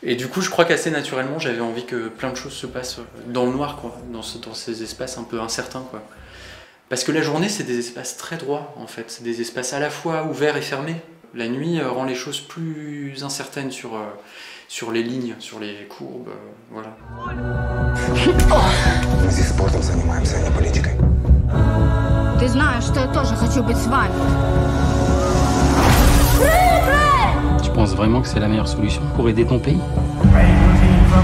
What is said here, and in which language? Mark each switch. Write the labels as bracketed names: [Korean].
[French] Et du coup, je crois qu'assez naturellement, j'avais envie que plein de choses se passent dans le noir, quoi, dans ces espaces un peu incertains, quoi. Parce que la journée, c'est des espaces très droits, en fait. C'est des espaces à la fois ouverts et fermés. La nuit rend les choses plus incertaines sur les lignes, sur les courbes, voilà. [Russian] Мы здесь спортом занимаемся, а не политикой. Ты знаешь, что я тоже хочу быть с вами. Типа, [French] penses vraiment que c'est la meilleure solution pour aider ton pays?